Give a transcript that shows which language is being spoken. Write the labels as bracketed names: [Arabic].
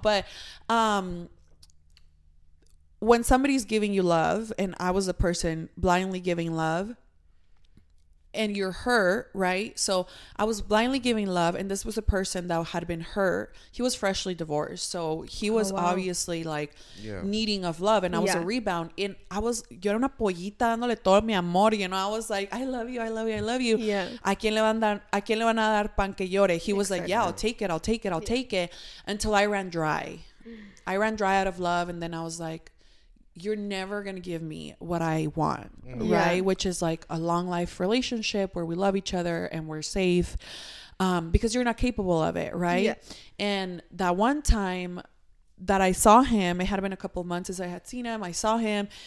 [English] But when somebody's giving you love, and I was a person blindly giving love, and you're hurt, right? So I was blindly giving love, and this was a person that had been hurt. He was freshly divorced. So he was obviously like needing of love, and I was a rebound. And I was, [Spanish] yo era una pollita dándole todo mi amor, [English] you know? I was like, I love you, I love you, I love you. Yeah. [Spanish] ¿A quién le van a dar pan que llore? [English] He was like, yeah, I'll take it, I'll take it, I'll take it, until I ran dry. I ran dry out of love, and then I was like, you're never going to give me what I want, right? Yeah. Which is like a long life relationship where we love each other and we're safe because you're not capable of it, right? Yeah. And that one time that I saw him, it had been a couple of months since I had seen him. I saw him.